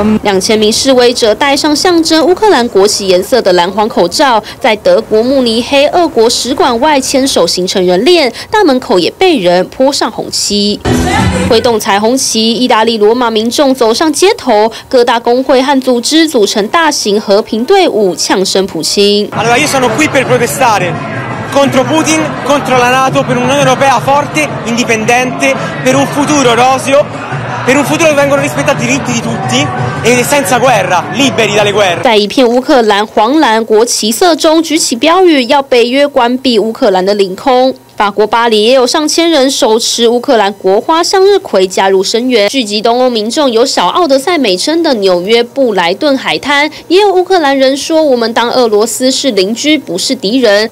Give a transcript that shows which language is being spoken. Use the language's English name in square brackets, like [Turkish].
[Chinese] 2000名示威者戴上象征乌克兰国旗颜色的蓝黄口罩，在德国慕尼黑俄国使馆外牵手形成人链，大门口也被人泼上红漆。挥动彩虹旗，意大利罗马民众走上街头，各大工会和组织组成大型和平队伍，呛声普京。 [Italian] Allora io sono qui per protestare contro Putin, contro la NATO, per un'Unione Europea forte, indipendente, per un futuro roseo, per un futuro dove vengono rispettati i diritti di tutti. Senza guerra, liberi dalle guerre. [Chinese] 在一片乌克兰黄蓝国旗色中举起标语，要北约关闭乌克兰的领空。法国巴黎也有上千人手持乌克兰国花向日葵加入声援。聚集东欧民众有小奥德赛美称的纽约布莱顿海滩，也有乌克兰人说：“我们当俄罗斯是邻居，不是敌人。”